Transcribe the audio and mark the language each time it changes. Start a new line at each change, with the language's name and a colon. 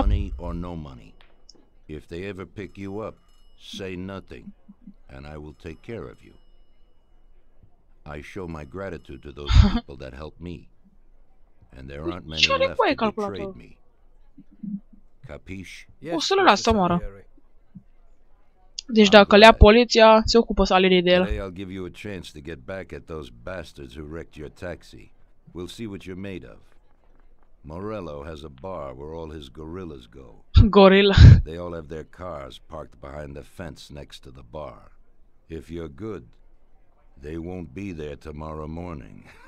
English: Money or no money. If they ever pick you up, say nothing, and I will take care of you. I show my gratitude to those people that helped me. And there aren't many left to betray me.
Italian: Capiș?
Romanian: O să-l las să moară. Deci dacă le ia poliția, se ocupă salarii de el.
English: Today I'll give you a chance to get back at those bastards who wrecked your taxi. We'll see what you're made of. Morello has a bar where all his gorillas go. Gorilla. They all have their cars parked behind the fence next to the bar. If you're good, they won't be there tomorrow morning.